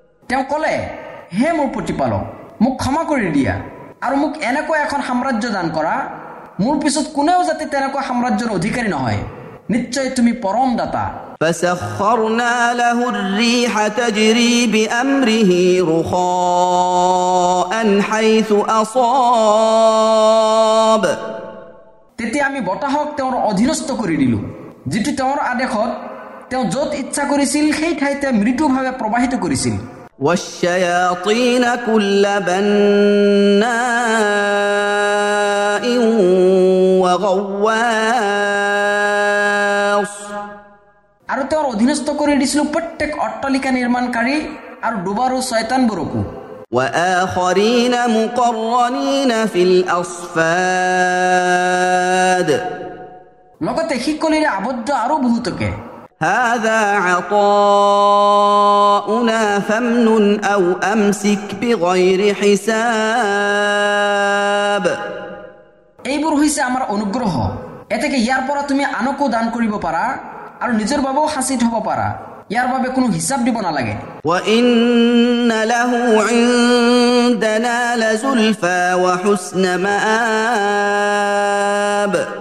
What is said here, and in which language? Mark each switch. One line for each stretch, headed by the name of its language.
Assamese: তেওঁ ক'লে হে মোৰ প্ৰতিপালক মোক ক্ষমা কৰি দিয়া আৰু মোক এনেকুৱা এখন সাম্ৰাজ্য দান কৰা মোৰ পিছত কোনেও যাতে তেনেকুৱা সাম্ৰাজ্যৰ অধিকাৰী নহয় নিশ্চয় তুমি পৰম দাতা
Arabic: فسخرنا له الريح تجري بأمره رخاء حيث أصاب تتي
Assamese: আমি বটাহক তেওঁৰ অধীনস্থ কৰি দিলোঁ যিটো তেওঁৰ আদেশত তেওঁ যত ইচ্ছা কৰিছিল সেই ঠাইতে মৃদুভাৱে প্ৰবাহিত কৰিছিল
Arabic: والشياطين كل بناء وغواص
Assamese: আৰু তেওঁৰ অধীনস্থ কৰি দিছিল প্ৰত্যেক অট্টালিকা নিৰ্মাণকাৰী আৰু ডুবাৰু চয়তানবোৰকো লগতে শিকলিৰে আৱদ্ধ আৰু বহুতকে
Arabic: هذا عطاؤنا فامنن أو أمسك بغير حساب.
Assamese: এইবোৰ হৈছে আমাৰ অনুগ্ৰহ, এতেকে ইয়াৰ পৰা তুমি আনকো দান কৰিব পাৰা আৰু নিজৰ বাবেও হাঁচি থব পাৰা, ইয়াৰ বাবে কোনো হিচাপ দিব নালাগে।
Arabic: وَإِنَّ لَهُ عِندَنَا لَزُلْفَى وَحُسْنَ مَآبَ